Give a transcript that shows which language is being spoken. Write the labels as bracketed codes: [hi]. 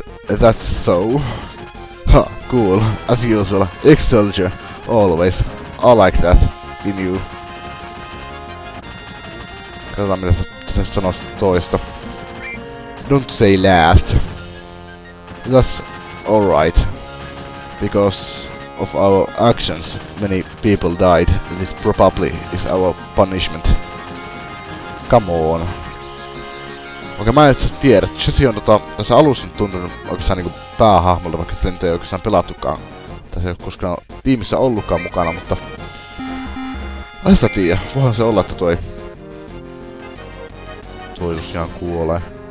[en] Is that so? Ha, cool, as usual, ex-soldier, always, I like that. In you. [fi] Katsotaan mitä sä sanois toista. [en] Don't say last. That's alright. Because of our actions, many people died. This probably is our punishment. Come on. [fi] Okei, mä en itseasiassa tiedä. Chessi on tässä alussa tuntunut oikeastaan niinku päähahmolta, vaikka sitä nyt ei oikeastaan pelattukaan. Tässä ei ole koskaan tiimissä ollutkaan mukana, mutta... Aista tiiä, voihan se olla, että toi tosiaan kuolee.